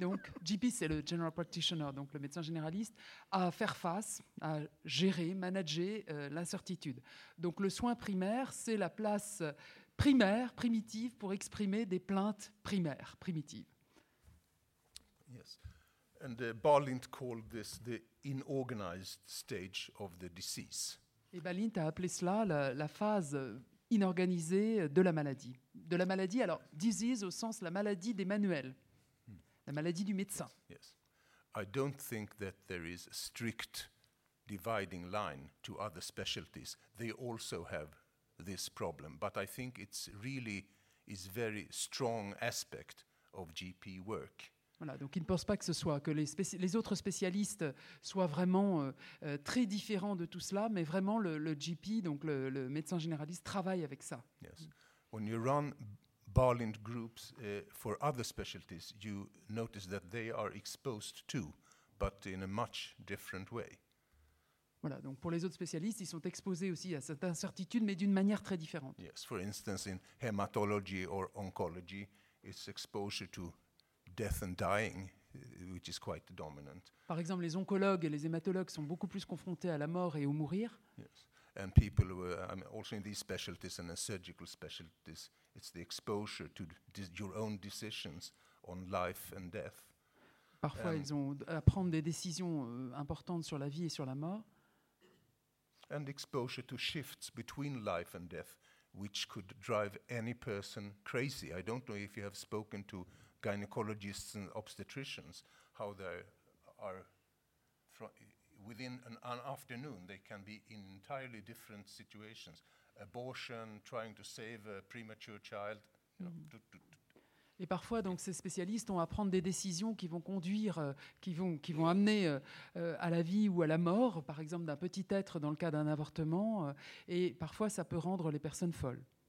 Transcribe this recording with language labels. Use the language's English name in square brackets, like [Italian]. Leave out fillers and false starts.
[French] Donc GP, c'est le [English] general practitioner, [French] donc le médecin généraliste, à faire face, à gérer, manager l'incertitude. Donc le soin primaire, c'est la place primaire, primitive, pour exprimer des plaintes primaires, primitives. [English] Yes, and Bâle-Lint called this the inorganized stage of the disease. [French] Et Bâle-Lint a appelé cela la phase inorganisée de la maladie. De la maladie, alors, disease au sens la maladie des manuels, la maladie du médecin. [English] Yes. I don't think that there is a strict dividing line to other specialties. They also have this problem. But I think it's really is very strong aspect of GP work. [French] Voilà, donc il ne pense pas que les autres spécialistes soient vraiment très différents de tout cela, mais vraiment le GP, donc le médecin généraliste, travaille avec ça. [English] Yes. When you run Bâle-Lint groups for other specialties, you notice that they are exposed too, but in a much different way. [French] Voilà, donc pour les autres spécialistes, ils sont exposés aussi à cette incertitude, mais d'une manière très différente. [English] Yes, for instance, in hematology or oncology, it's exposure to death and dying, which is quite dominant. [French] Par exemple, les oncologues et les hématologues sont beaucoup plus confrontés à la mort et au mourir. [English] Yes, and people who are, I mean, also in these specialties and in surgical specialties, it's the exposure to your own decisions on life and death. [French] Parfois, ils ont à prendre des décisions importantes sur la vie et sur la mort. [English] And exposure to shifts between life and death, which could drive any person crazy. I don't know if you have spoken to gynecologists and obstetricians, how they are within an afternoon, they can be in entirely different situations. Abortion, trying to save a premature child, you know. [French] Et parfois, donc, ces spécialistes ont à prendre des décisions qui vont conduire, qui vont amener à la vie ou à la mort, par exemple, d'un petit être dans le cas d'un avortement. Et parfois, ça peut rendre les personnes folles.